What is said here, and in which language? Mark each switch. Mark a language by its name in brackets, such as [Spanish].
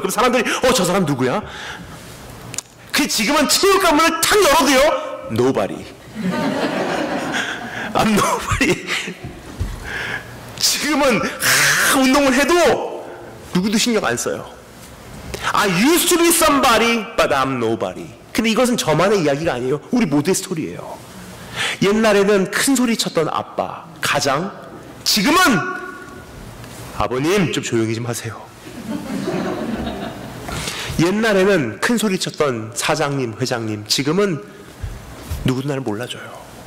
[Korean] 그럼 사람들이 저 사람 누구야? 그 지금은 체육관 문을 탁 열어도요 [English] Nobody I'm nobody. [Korean] 지금은 운동을 해도 누구도 신경 안 써요. [English] I used to be somebody but I'm nobody. [Korean] 근데 이것은 저만의 이야기가 아니에요. 우리 모두의 스토리예요. 옛날에는 큰 소리 쳤던 아빠 가장 지금은 아버님 좀 조용히 좀 하세요. 옛날에는 큰 소리 쳤던 사장님 회장님 지금은 누구도 나를 몰라줘요.